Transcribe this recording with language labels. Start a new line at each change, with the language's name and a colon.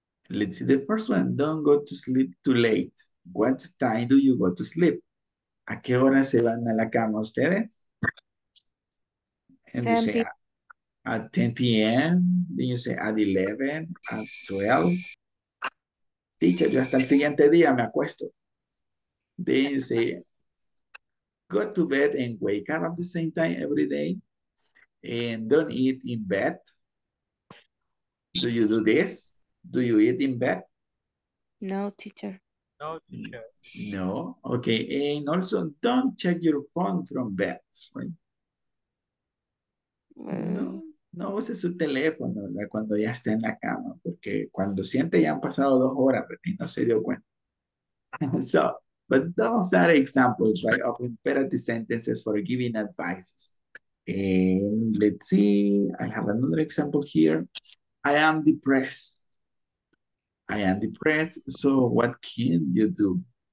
English: Let's see the first one. Don't go to sleep too late. What time do you go to sleep?
Spanish: ¿A qué hora se van a la cama ustedes?
English: And you say, at 10 p.m. Then you say, at 11, at 12. Teacher,
Spanish: yo hasta el siguiente día me acuesto.
English: Then you say, go to bed and wake up at the same time every day. And don't eat in bed. Do you do this? Do you eat in bed? No, teacher. No, teacher. No, okay. And also, don't check your phone from bed, right?
Spanish: No use su teléfono, ¿verdad? Cuando ya está en la cama, porque cuando siente ya han pasado 2 horas y no se dio cuenta.
English: So, but those are examples, right, of imperative sentences for giving advice. And let's see, I have another example here. I am depressed. I am depressed, so what can you do?